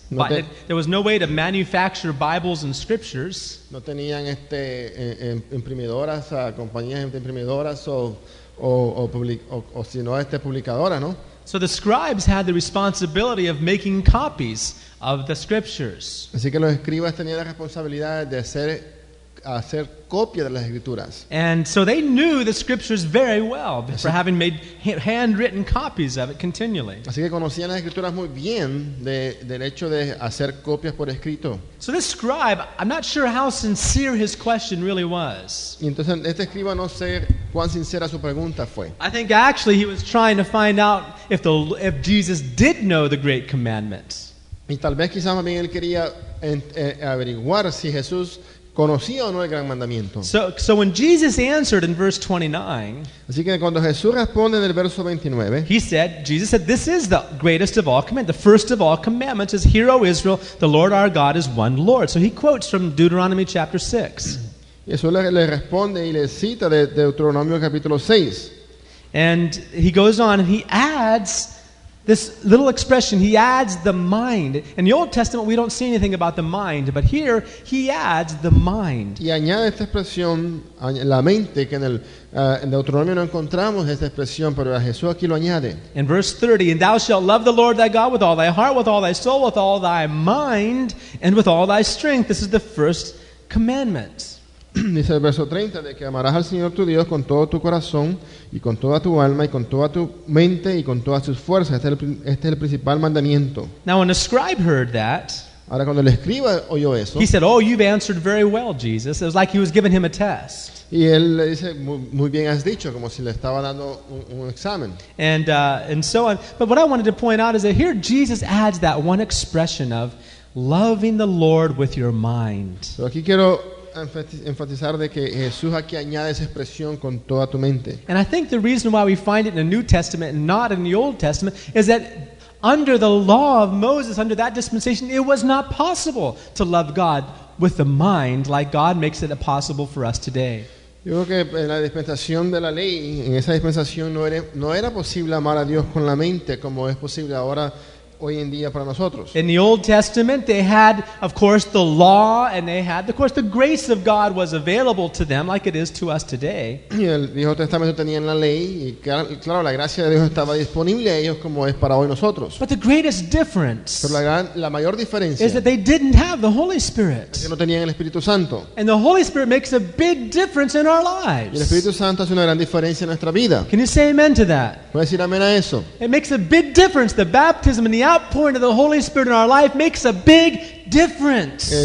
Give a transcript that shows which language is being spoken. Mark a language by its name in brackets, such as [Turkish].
[English] No there was no way to manufacture Bibles and scriptures. [Spanish] No tenían imprimidoras, compañías de imprimidoras o publicadoras, ¿no? [English] So the scribes had the responsibility of making copies of the scriptures. [Spanish] Así que los escribas tenían la responsabilidad de hacer copia de las escrituras. [English] And so they knew the scriptures very well for having made handwritten copies of it continually. [Spanish] Así que conocían las escrituras muy bien del hecho de hacer copias por escrito. [English] So this scribe, I'm not sure how sincere his question really was. [Spanish] Y entonces este escriba no sé cuán sincera su pregunta fue. [English] I think actually he was trying to find out if Jesus did know the great commandment. [Spanish] Y tal vez quizás también él quería averiguar si Jesús conocía o no el gran mandamiento. [English] So when Jesus answered in verse 29, [Spanish] así que cuando Jesús responde en el verso 29, [English] Jesus said, this is the greatest of all commandments. The first of all commandments is, Hear, O Israel, the Lord our God is one Lord. So he quotes from Deuteronomy chapter 6. [Spanish] Jesús le responde y le cita de Deuteronomio capítulo 6. [English] And he goes on and he adds this little expression, he adds the mind. In the Old Testament, we don't see anything about the mind, but here, he adds the mind. [Spanish] Y añade esta expresión, la mente, que en Deuteronomio no encontramos esta expresión, pero a Jesús aquí lo añade. [English] In verse 30, and thou shalt love the Lord thy God with all thy heart, with all thy soul, with all thy mind, and with all thy strength. This is the first commandment. [Spanish] Dice el verso 30, de que amarás al Señor tu Dios con todo tu corazón, y con toda tu alma, y con toda tu mente, y con todas tus fuerzas. Este es el principal mandamiento. [English] Now when a scribe heard that, [Spanish] ahora cuando el escriba oyó eso, [English] he said, oh, you've answered very well, Jesus. It was like he was giving him a test. [Spanish] Y él le dice, muy bien has dicho, como si le estaba dando un examen. [English] And so on. But what I wanted to point out is that here Jesus adds that one expression of loving the Lord with your mind. [Spanish] So aquí quiero enfatizar de que Jesús aquí añade esa expresión con toda tu mente. [English] And I think the reason why we find it in the New Testament and not in the Old Testament is that under the law of Moses, under that dispensation, it was not possible to love God with the mind like God makes it possible for us today. [Spanish] Yo creo que en la dispensación de la ley, en esa dispensación no era posible amar a Dios con la mente como es posible ahora. [English] In the Old Testament, they had, of course, the law, and they had, of course, the grace of God was available to them, like it is to us today. But the greatest difference is that they didn't have the Holy Spirit. [Spanish] Que no tenían el Espíritu Santo. [English] And the Holy Spirit makes a big difference in our lives. [Spanish] Y el Espíritu Santo hace una gran diferencia en nuestra vida. [English] Can you say amen to that? [Spanish] ¿Puedes decir amén a eso? [English] It makes a big difference, the baptism and the outpouring of the Holy Spirit in our life makes a big difference.